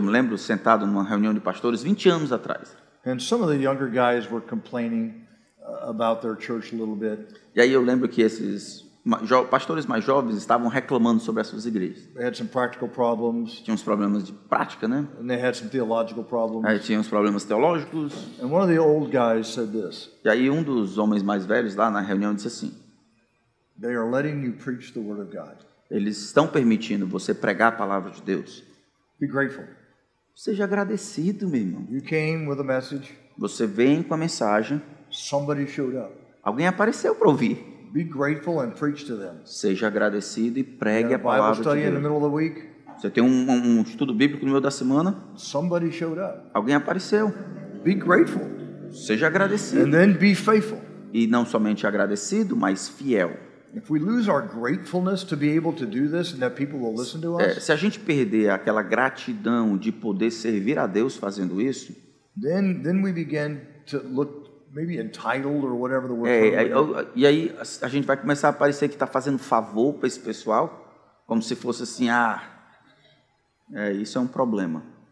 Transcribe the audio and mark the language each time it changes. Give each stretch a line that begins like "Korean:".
Portuguese: me lembro sentado numa reunião de pastores 20 anos atrás.
English: And some of the younger guys were complaining about their church a little bit.
Portuguese: E aí eu lembro que esses pastores mais jovens estavam reclamando sobre as suas igrejas.
English: They had some practical problems.
Portuguese: Tinha uns problemas de prática, né?
English: And they had some theological problems.
Portuguese: Aí tinha uns problemas teológicos.
English: And one of the old guys said this.
Portuguese: E aí um dos homens mais velhos lá na reunião disse assim:
English: They are letting you preach the word of God.
Portuguese: Eles estão permitindo você pregar a palavra de Deus.
English: Be grateful.
Portuguese: Seja agradecido, meu irmão.
English: You came with a message.
Portuguese: Você vem com a mensagem.
English: Somebody showed up.
Portuguese: Alguém apareceu para ouvir.
English: Be grateful and preach to them.
Portuguese: Seja agradecido e pregue a palavra de Deus.
English: In the middle of the week,
Portuguese: você tem um estudo bíblico no meio da semana?
English: Somebody showed up.
Portuguese: Alguém apareceu.
English: Be grateful.
Portuguese: Seja agradecido.
English: And then be faithful.
Portuguese: E não somente agradecido, mas fiel.
English: If we lose our gratefulness to be able to do this and that people will listen to us,
Portuguese: se a gente perder aquela gratidão de poder servir a Deus fazendo isso,
English: then we begin to look maybe entitled or whatever the word is.
Portuguese: E aí a gente vai começar a parecer que está fazendo favor para esse pessoal, como se fosse assim, isso é um problema.